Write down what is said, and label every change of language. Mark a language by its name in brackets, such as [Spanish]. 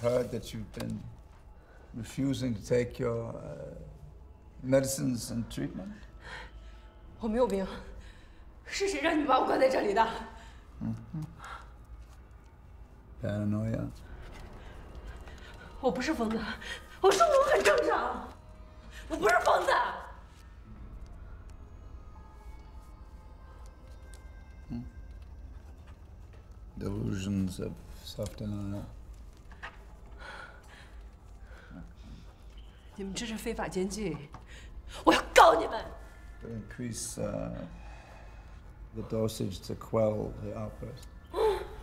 [English] That you've been refusing to take your medicines and treatment. [Chinese] 我没有病，是谁让你把我关在这里的？嗯 [English] 哼。Paranoia. [Chinese] 我不是疯子，我生活很正常，我不是疯子。 [English] Delusions of self-denial. [Chinese] 你们这是非法监禁，我要告你们！ [English] To increase the dosage to quell the outburst.